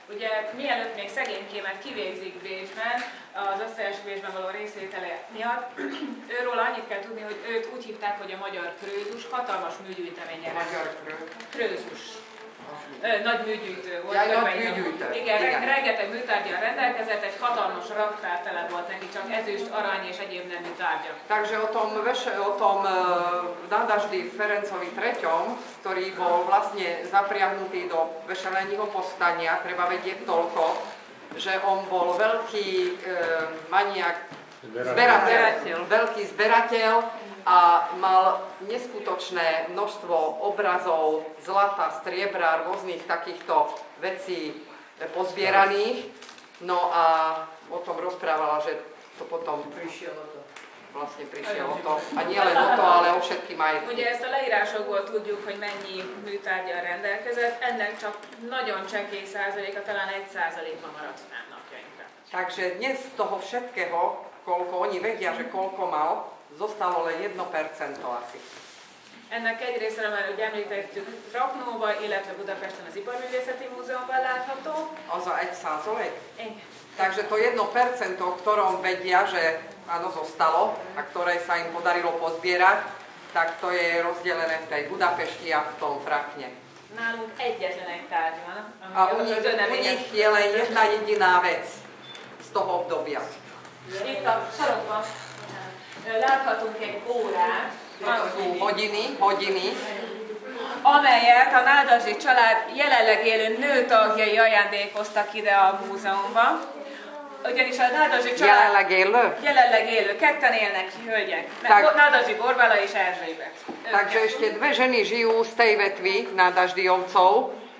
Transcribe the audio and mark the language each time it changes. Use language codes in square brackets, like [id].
[hu] Ugye mielőtt még szegényként kivégzik Bécsben, az összeesküvésben való részvétele miatt, őről annyit kell tudni, hogy őt úgy hívták, hogy a magyar Krőzus, hatalmas műgyűjteménye. Magyar Krőzus. Nagy műgyűjtő volt. Ja, nagy műgyűjtő. Igen, rengeteg műtárgyal rendelkezett, egy hatalmas raktár tele volt neki, csak ezüst, arany és egyéb nemű tárgyak. [sk] Takže o tom Nádasdy Ferencovi III, ktorý bol vlastne zapriahnutý do vešeleního postania, treba vedieť toľko, že on bol veľký maniak, zberateľ. Veľký zberateľ. A mal neskutočné množstvo obrazov, zlata, striebra, rôznych takýchto vecí pozbieraných. No a o tom rozprávala, že to potom prišiel o to. Vlastne prišiel o to. A nie len o to, ale o všetky majetky. [hu] Ugye ezt a leírásokból tudjuk, hogy mennyi műtárgyal rendelkezett. Ennek csak nagyon csekély százaléka, talán 1%-ma maradt fenn napjainkra. [sk] Takže dnes toho všetkého, koľko oni vedia, že koľko mal, zostalo len 1% asi. [hu] Ennek egy részre már ugye említettük Raknóba, illetve Budapesten az Iparművészeti Múzeumban látható. Az a 1%? Igen. [sk] Takže to 1%, o ktorom vedia, že áno, zostalo a ktoré sa im podarilo pozbierať, tak to je rozdelené v tej Budapešti a v tom Frakne. [hu] Nálunk egyetlen egy tárgy van. [sk] U nich je len jedna jediná vec z toho obdobia. [hu] Itt a sorokban láthatunk egy órát. [sk] Sú hodiny. [hu] Amelyet a Nádasdy család jelenleg élő nőtagjai ajándékoztak ide a múzeumba. Ugyanis a Nádasdy család... Jelenleg élő. Ketten élnek, hölgyek. Meg Nádasdy Borbála és Erzsébet. [sk] Takže ešte dve ženy žijú z tej vetvy Nádasdyovcov.